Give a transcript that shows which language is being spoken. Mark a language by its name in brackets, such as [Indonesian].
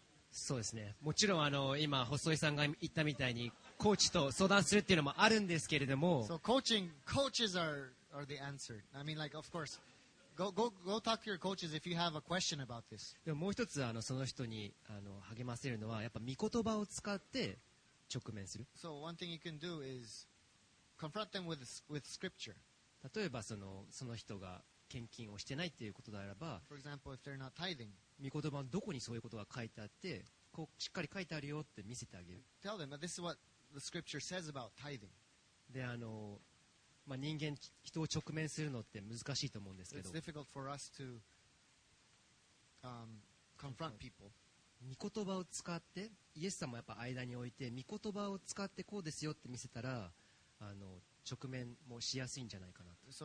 [Japanese] そうですね、もちろんあの今細井さんが言ったみたいにコーチと相談するっていうのもあるんですけれども、 [English] so、coaching, coaches are the answer. I mean, like, of course, go talk to your coaches if you have a question about this. [Japanese] でももう一つあのその人にあの励ませるのはやっぱ御言葉を使って直面する。 [English] So one thing you can do is confront them with scripture. [Japanese] 例えばその人が献金をしてないっていうことであれば、 [English] for example, if they're not tithing. [Japanese] 御言葉はどこにそういうことが書いてあってこうしっかり書いてあるよって見せてあげる。 [English] Tell them that this is what the scripture says about tithing. [Japanese] で、まあ、人を直面するのって難しいと思うんですけど [English] It's difficult for us to, confront people. [Japanese] 御言葉を使ってイエス様をやっぱ間に置いて御言葉を使ってこうですよって見せたら直面もしやすいんじゃないかなと。